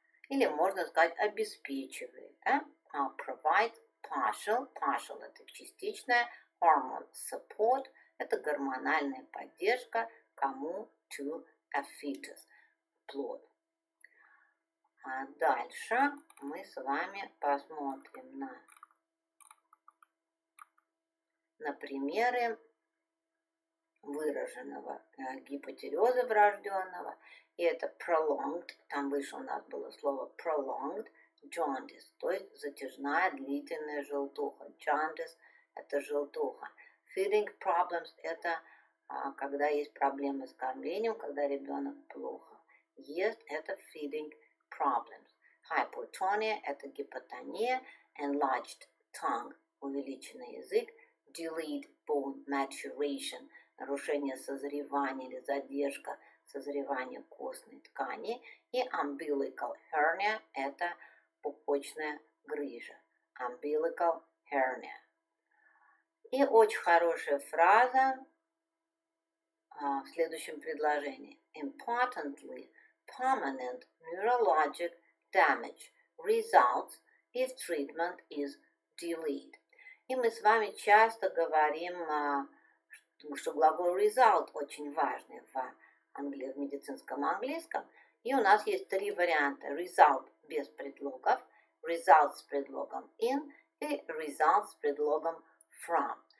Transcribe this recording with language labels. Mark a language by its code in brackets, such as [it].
[ru] Или можно сказать обеспечивает. Да? [en] Provide partial [ru] – это частичная. [en] Hormone support [ru] – это гормональная поддержка кому? [en] To a fetus – [ru] плоду. А дальше мы с вами посмотрим на примеры выраженного гипотиреоза врожденного, и это prolonged, там выше у нас было слово [en] prolonged jaundice, [ru] то есть затяжная длительная желтуха. Jaundice – это желтуха. [en] Feeding problems [ru] – это когда есть проблемы с кормлением, когда ребенок плохо ест, это [en] feeding problems. [ru] Hypotonia – это гипотония. [en] Enlarged tongue [ru] – увеличенный язык. [en] Delayed bone maturation [ru] – нарушение созревания или задержка созревания костной ткани. И [en] umbilical hernia [ru] – это пупочная грыжа. [en] Umbilical hernia. [ru] И очень хорошая фраза в следующем предложении. [en] Importantly, permanent neurologic damage results if treatment is delayed. [ru] И мы с вами часто говорим, что глагол result очень важный в медицинском английском. И у нас есть три варианта. Result без предлогов, result с предлогом in и result с предлогом from.